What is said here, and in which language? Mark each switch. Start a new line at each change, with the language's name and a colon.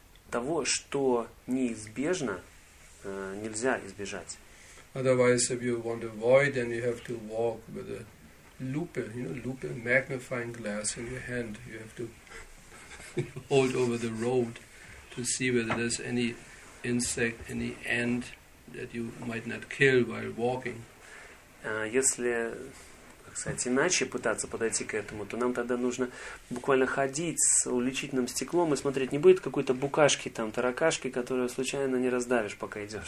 Russian: Того, что неизбежно, нельзя избежать.
English: Otherwise, if you want to avoid, then you have to walk with a lupe, you know, lupe, magnifying glass in your hand. You have to hold over the road to see whether there's any insect, any ant that you might not kill while walking.
Russian: Если... Кстати, иначе пытаться подойти к этому, то нам тогда нужно буквально ходить с увеличительным стеклом и смотреть, не будет какой-то букашки там, таракашки, которую случайно не раздавишь, пока